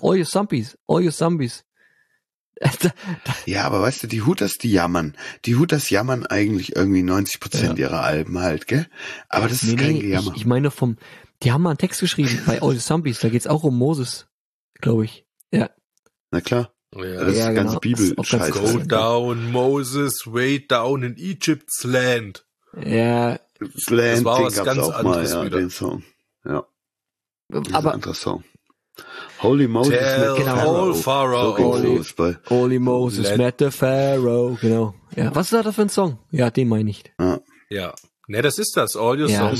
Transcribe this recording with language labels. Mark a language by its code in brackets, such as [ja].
[en] All your Zombies. [de] Ja, aber weißt du, die Hooters, die jammern. Die Hooters jammern eigentlich irgendwie 90% ihrer Alben halt, gell? Aber das ist kein Gejammer. Ich meine die haben mal einen Text geschrieben bei All the Zombies, da geht's auch um Moses, glaube ich. Ja. Na klar. Ja, das ist genau. Ganze Bibel. [en] Go down, Moses, way down in Egypt's land. [de] Ja. Das land, war was ganz auch anderes mal, wieder. Den Song. Ja. Aber. Ein anderer Song. Holy Moses, [en] met the Pharaoh, [de] genau. Ja. Was ist da für ein Song? Ja, den meine ich. Ja. Ne, das ist das. All Your Zombies.